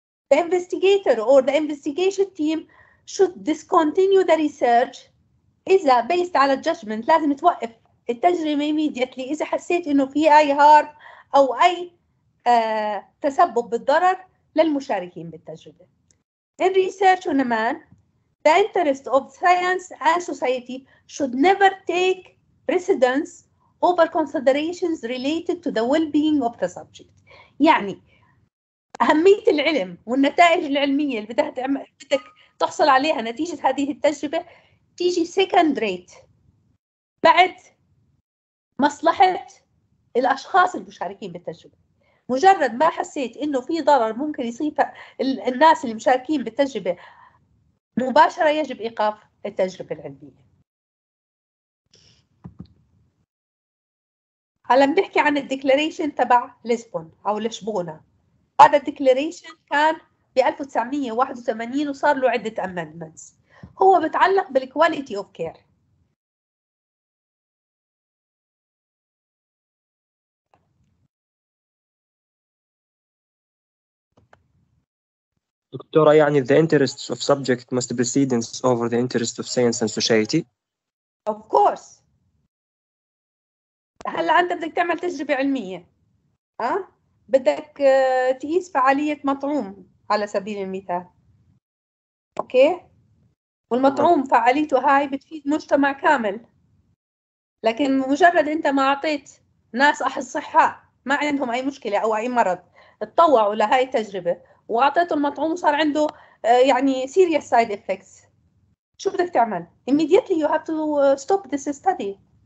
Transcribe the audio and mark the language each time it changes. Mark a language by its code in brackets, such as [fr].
[en] The investigator or the investigation team should discontinue the research [ar] إذا [en] based [ar] على [en] judgment. [ar] لازم توقف التجربة [en] immediately [ar] إذا حسيت إنه في أي [en] harm [ar] أو أي تسبب بالضرر للمشاركين بالتجربة. [en] In research on a man, the interest of science and society should never take precedence over considerations related to the well-being of the subject. [ar] يعني أهمية العلم والنتائج العلمية اللي بدك تحصل عليها نتيجة هذه التجربة تيجي [en] second rate [ar] بعد مصلحة الأشخاص المشاركين بالتجربة. مجرد ما حسيت إنه في ضرر ممكن يصيب الناس اللي مشاركين بالتجربة مباشرة يجب إيقاف التجربة العلمية. هلا بنحكي عن الديكلاريشن تبع لشبونة أو لشبونة. هذا الديكلاريشن كان ب 1981 وصار له عدة أمندمنتس. هو بتعلق [en] بالكواليتي of care. [ar] دكتورة يعني [en] the interests of subject must precedence over the interests of science and society. Of course. [ar] هلا أنت بدك تعمل تجربة علمية، بدك تقيس فعالية مطعوم على سبيل المثال، أوكي؟ والمطعوم فعاليته هاي بتفيد مجتمع كامل، لكن مجرد أنت ما أعطيت ناس أصحاء ما عندهم أي مشكلة أو أي مرض اتطوعوا لهاي التجربة وعطيته المطعوم وصار عنده يعني [en] serious side effects، [ar] شو بدك تعمل؟ [en] immediately you have to stop this study.